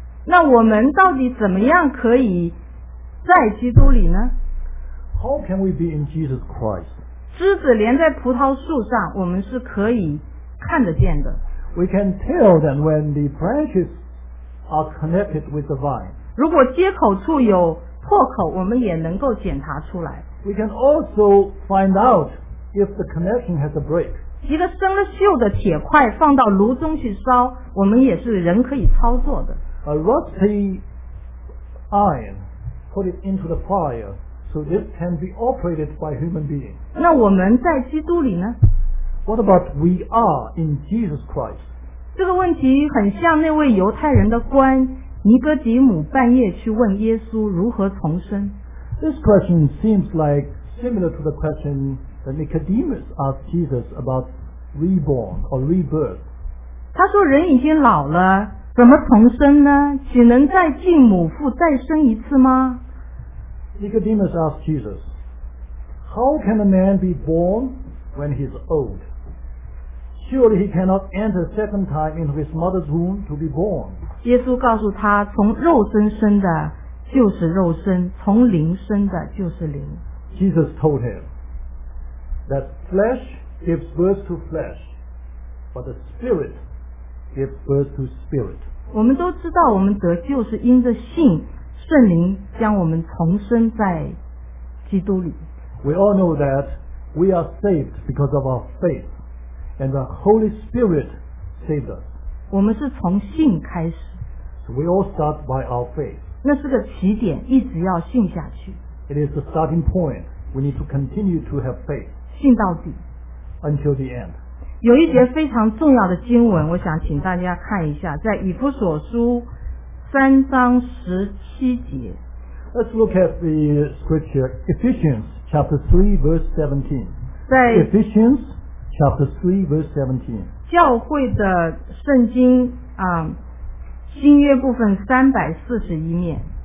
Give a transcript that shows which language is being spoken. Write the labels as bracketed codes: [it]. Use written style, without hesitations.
[zh] 那我们到底怎么样可以在基督里呢？ [en] How can we be in Jesus Christ? [zh] 枝子连在葡萄树上，我们是可以看得见的。 [en] We can tell them when the branches are connected with the vine. [zh] 如果接口处有破口，我们也能够检查出来。 [en] We can also find out if the connection has a break. [zh] 一个生了锈的铁块放到炉中去烧，我们也是人可以操作的。 [en] A rusty iron, put it into the fire, so this can be operated by human beings. [zh] 那我们在基督里呢？ [en] What about we are in Jesus Christ? [zh] 这个问题很像那位犹太人的官尼哥底母半夜去问耶稣如何重生。 [en] This question seems like similar to the question that Nicodemus asked Jesus about reborn or rebirth. [zh] 他说人已经老了，怎么重生呢？岂能再进母腹再生一次吗？ [en] Nicodemus asked Jesus, How can a man be born? When he's old, surely he cannot enter a second time into his mother's womb to be born. [zh] 耶稣告诉他，从肉身生的就是肉身，从灵生的就是灵。 [en] Jesus told him that flesh gives birth to flesh, but the spirit gives birth to spirit. [zh] 我们都知道，我们得救是因着信，圣灵将我们重生在基督里。 [en] We all know that. We are saved because of our faith, and the Holy Spirit saved us. [zh] 我们是从信开始。 [en] So we all start by our faith. [zh] 那是个起点，一直要信下去。 [en] It is a starting point. We need to continue to have faith. [zh] 信到底。 [en] Until the end. [zh] 有一节非常重要的经文，我想请大家看一下，在以弗所书三章十七节。 [en] Let's look at the scripture Ephesians chapter 3 verse 17. [zh] 在 [en] Ephesians chapter 3 verse 17. [zh] 教会的圣经啊、新约部分341面。